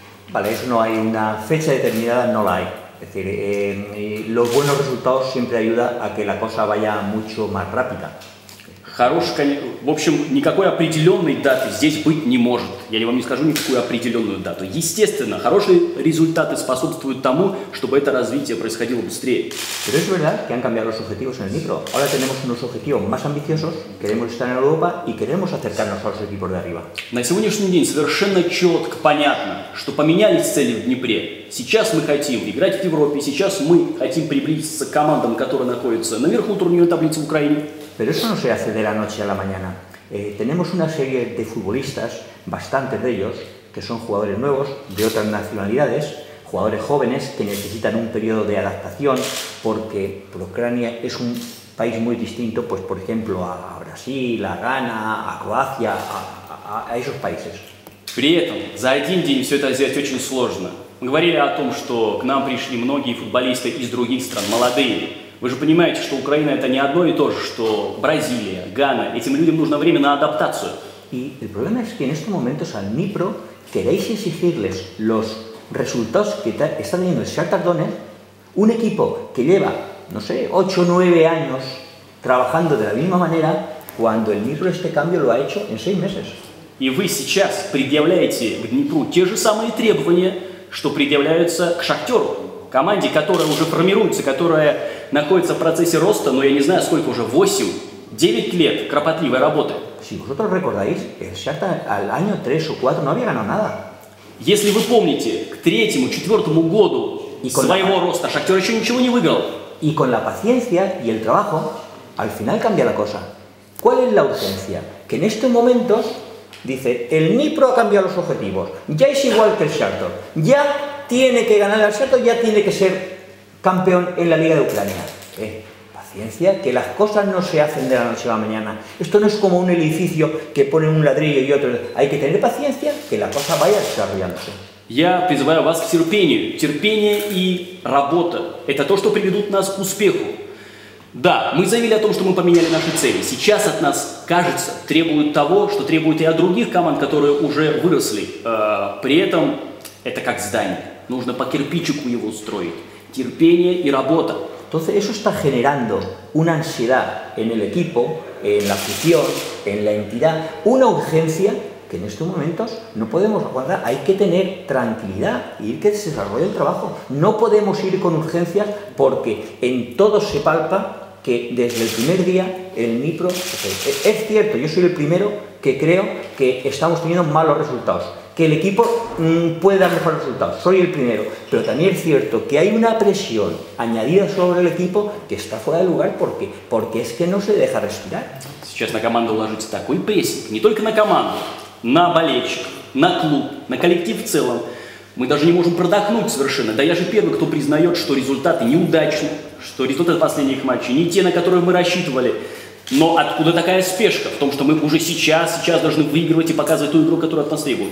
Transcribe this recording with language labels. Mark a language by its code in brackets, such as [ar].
[es] Vale, eso no hay una fecha determinada, no la hay. Es decir, los buenos resultados siempre ayudan a que la cosa vaya mucho más rápida. [ru] Хорошая, в общем, никакой определенной даты здесь быть не может. Я вам не скажу никакую определенную дату. Естественно, хорошие результаты способствуют тому, чтобы это развитие происходило быстрее. [es] Pero es verdad que han cambiado los objetivos en el micro. Ahora tenemos unos objetivos más ambiciosos. Queremos estar en Europa y queremos acercarnos a los equipos de arriba. [ru] На сегодняшний день совершенно четко понятно, что поменялись цели в Днепре. Сейчас мы хотим играть в Европе. Сейчас мы хотим приблизиться к командам, которые находятся наверху турнирной таблицы в Украине. [es] Pero eso no se hace de la noche a la mañana. Tenemos una serie de futbolistas, bastantes de ellos, que son jugadores nuevos, de otras nacionalidades, jugadores jóvenes que necesitan un periodo de adaptación porque Ucrania es un país muy distinto, pues, por ejemplo, a Brasil, a Ghana, a Croacia, a esos países. [ru] При этом за один день все это сделать очень сложно. Мы говорили о том, что к нам пришли многие футболисты из других стран, молодые. Вы же понимаете, что Украина это не одно и то же, что Бразилия, Гана. Этим людям нужно время на адаптацию. И проблема в том, что в этот момент [es] al Dnipro queréis exigirles los resultados que está teniendo el Shakhtar Donetsk, un equipo que lleva, no sé, 8-9 años trabajando de la misma manera, cuando el Dnipro este cambio lo ha hecho en 6 meses. [ru] И вы сейчас предъявляете к Днепру те же самые требования, что предъявляются к Шахтеру. Команде, которая уже формируется, которая находится в процессе роста, но я не знаю, сколько уже, 8-9 лет кропотливой работы. [es] Si vosotros recordáis, el Shakhtar al año 3 o 4 no había ganado nada. [ru] Если вы помните, к 3-4 году своего роста Шахтер еще ничего не выиграл. [es] Y con la paciencia y el trabajo, al final cambia la cosa. ¿Cuál es la urgencia? Que en estos momentos, dice, el Dnipro ha cambiado los objetivos. Ya es igual que el Shakhtar. Ya tiene que ganar el Shakhtar, ya tiene que ser campeón en la Liga de Ucrania. Paciencia, que las cosas no se hacen de la noche a la mañana. Esto no es como un edificio que ponen un ladrillo y otro. Hay que tener paciencia, que la cosa vaya desarrollándose. [ru] Я призываю вас к терпению. Терпение и работа – это то, что приведут нас к успеху. Да, мы заявили о том, что мы поменяли наши цели. Сейчас от нас, кажется, требуют того, что требуют и от других команд, которые уже выросли. При этом это как здание. Нужно по кирпичику его строить. Терпение и работа. [es] Entonces eso está generando una ansiedad en el equipo, en la afición, en la entidad, una urgencia que en estos momentos no podemos aguantar. Hay que tener tranquilidad y ir que se desarrolle el trabajo. No podemos ir con urgencias porque en todo se palpa que desde el primer día el Dnipro... Es cierto, yo soy el primero que creo que estamos teniendo malos resultados. Que el equipo puede dar mejores resultados, soy el primero. Pero también es cierto que hay una presión añadida sobre el equipo que está fuera de lugar porque es que no se deja respirar. [ru] Сейчас на команду ложится такой прессинг, не только на команду, на болельщик, на клуб, на коллектив в целом. Мы даже не можем продохнуть совершенно. Да я же первый, кто признает, что результаты неудачны, что результаты последних матчей не те, на которые мы рассчитывали. Но откуда такая спешка в том, что мы уже сейчас должны выигрывать и показывать ту игру, которая от нас требует?